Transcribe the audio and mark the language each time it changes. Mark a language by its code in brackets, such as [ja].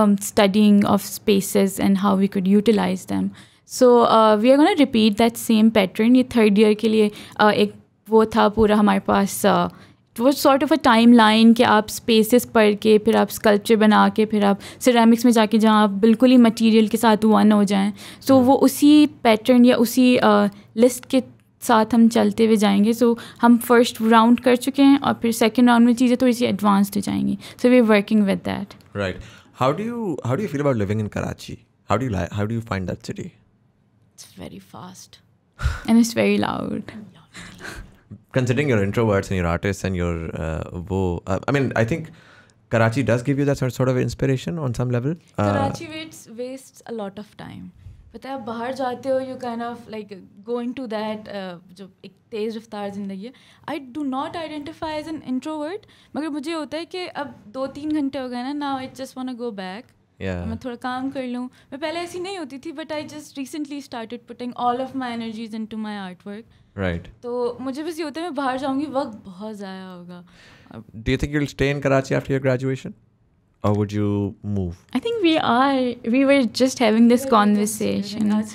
[en] studying of spaces and how we could utilize them so we are going to repeat that same pattern [hi] ye third year ke liye ek wo tha pura hamare paas [en] it was sort of a timeline [hi] ke aap spaces padh ke fir aap sculpture bana ke fir aap ceramics mein jaake jahan aap bilkul hi material ke sath one ho jaye so wo usi pattern ya usi list ke साथ हम चलते हुए जाएंगे सो हम first round कर चुके हैं और फिर सेकंड राउंड में चीज़ें थोड़ी सी एडवांस्ड हो जाएंगी [en] so we are working with that right how do you feel about living in Karachi how do you find that city it's very fast and it's very loud considering your introverts and your artist and your वो I mean I think Karachi does give you that sort of inspiration on some level Karachi wastes a lot of time [hi] पता है आप बाहर जाते हो [en] you kind of like going to that [hi] जो एक तेज़ रफ्तार ज़िंदगी है [en] I do not identify as an introvert [hi] मगर मुझे होता है कि अब दो तीन घंटे हो गए ना now I just want to go back मैं थोड़ा काम कर लूँ मैं पहले ऐसी नहीं होती थी [en] but I just recently started putting all of my energies into my art work right [hi] तो मुझे बस ये होता है मैं बाहर जाऊँगी वक्त बहुत ज़्यादा होगा [en] Do you think you will stay in Karachi after your graduation Or would you move? I think we were just having this conversation.